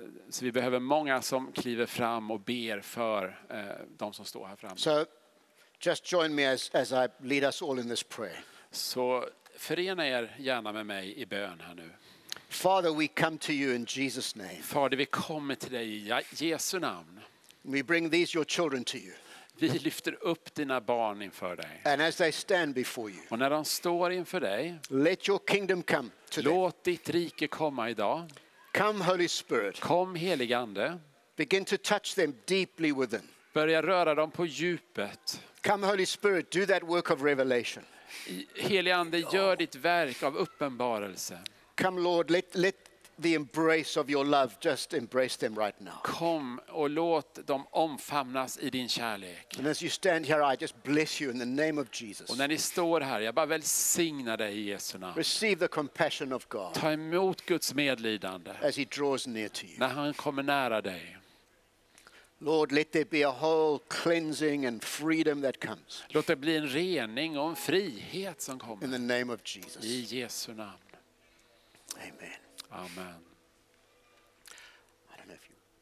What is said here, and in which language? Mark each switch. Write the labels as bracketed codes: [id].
[sv] Så vi behöver många som kliver fram och ber för de som står här framme. [en] So, just join me as I lead us all in this prayer. [sv] Så förena er gärna med mig i bön här nu. [en] Father, we come to you in Jesus' name. [sv] Fader, vi kommer till dig i Jesu namn. [en] We bring these your children to you. [sv] Vi lyfter upp dina barn inför dig. [en] And as they stand before you. [sv] Och när de står inför dig. [en] Let your kingdom come today. [sv] Låt ditt rike komma idag. [en] Come Holy Spirit. [sv] Kom helige ande. [en] Begin to touch them deeply within. [sv] Börja röra dem på djupet. [en] Come Holy Spirit, do that work of revelation. [sv] Helige ande, gör ditt verk av uppenbarelse. [en] Come Lord, let the embrace of your love just embrace them right now. [sv] Kom och låt dem omfamnas i din kärlek. [en] And as you stand here, I just bless you in the name of Jesus. [sv] Och när ni står här, jag bara välsignar dig i Jesu namn. [en] Receive the compassion of God. [sv] Ta emot Guds medlidande. [en] As he draws near to you. [sv] När han kommer nära dig. [en] Lord, let there be a whole cleansing and freedom that comes. [sv] Låt det bli en rening och en frihet som kommer. [en] In the name of Jesus. [sv] I Jesu namn. [en] Amen. [sv] Amen. [en] I don't know if you.